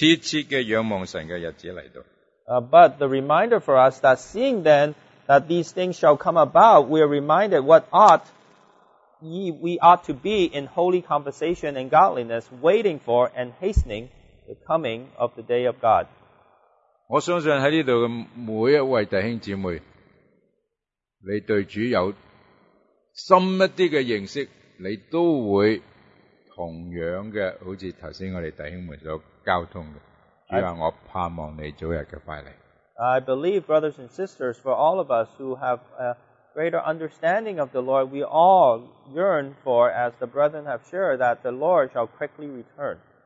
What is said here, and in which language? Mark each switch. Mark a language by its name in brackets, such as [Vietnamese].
[Chinese] 而是他劝勉我们,我们为人应当怎样圣洁,怎样敬虔,切切地仰望神的日子来到。 [English] But the reminder for us that seeing then that these things shall come about, we are reminded what ought we ought to be in holy conversation and godliness, waiting for and hastening the coming of the day of God. [Chinese] 我相信在这里的每一位弟兄姊妹, 你对主有深一点的认识, 你都会同样的好像刚才我们弟兄们所交通的, 主啊,我盼望你早日的快来。 [English] I believe, brothers and sisters, for all of us who have a greater understanding of the Lord, we all yearn for, as the brethren have shared, that the Lord shall quickly return.